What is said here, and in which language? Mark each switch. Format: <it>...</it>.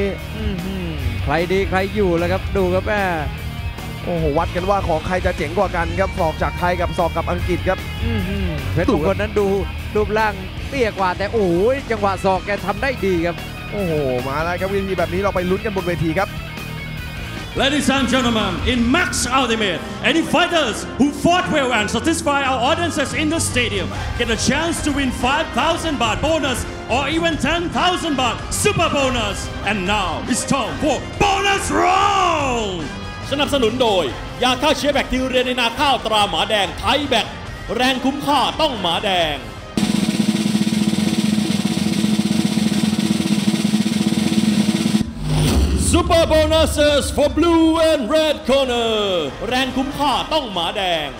<th>ใครดีใครอยู่แล้วครับดูครับแม่ โอ้โหวัดกันว่าของใครจะเจ๋งกว่ากันครับศอกจากไทยกับศอกกับอังกฤษครับ เพชรมงคลนั้นดูรูปร่างเตี้ยกว่าแต่โอ้ยจังหวะศอกแกทำได้ดีครับ โอ้โหมาแล้วครับวินีแบบนี้เราไปลุ้นกันบนเวทีครับ</th> <en>Ladies and gentlemen in Max Ultimate any fighters who fought well and satisfy our audiences in the stadium get a chance to win 5,000 baht bonus or even 10,000 baht super bonus and now it's time for bonus round</en> <th>สนับสนุนโดยยาฆ่าเชื้อแบคทีเรียในนาข้าวตราหมาแดงไทยแบคแรงคุ้มค่าต้องหมาแดงซูเปอร์โบนัส for blue and red corner แรงคุ้มค่าต้องหมาแดง</th>